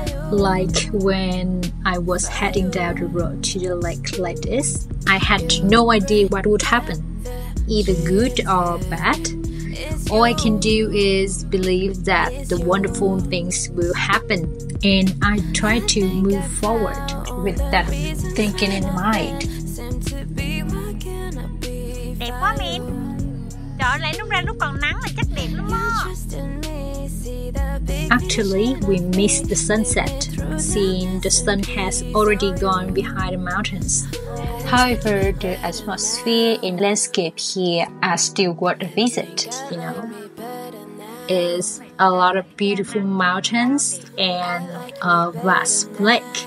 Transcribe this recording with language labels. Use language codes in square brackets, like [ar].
[en] Like when I was heading down the road to the lake like this, I had no idea what would happen, either good or bad. All I can do is believe that the wonderful things will happen, and I try to move forward with that thinking in mind. [vi] Đẹp quá mình. Trời lại lúc ra lúc còn nắng là chắc đẹp lắm á. [en] Actually, we missed the sunset, seeing the sun has already gone behind the mountains. However, the atmosphere and landscape here are still worth a visit, you know. It's a lot of beautiful mountains and a vast lake.